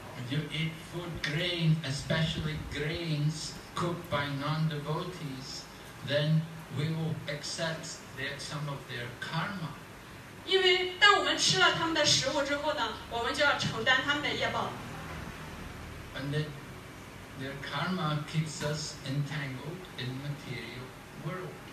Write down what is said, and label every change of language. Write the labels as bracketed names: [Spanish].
[English] You eat food grain, especially grains cooked by non-devotees, then we will accept some of their karma. [Chinese] 因为当我们吃了他们的食物之后呢，我们就要承担他们的业报。 [English] And their karma keeps us entangled in material world.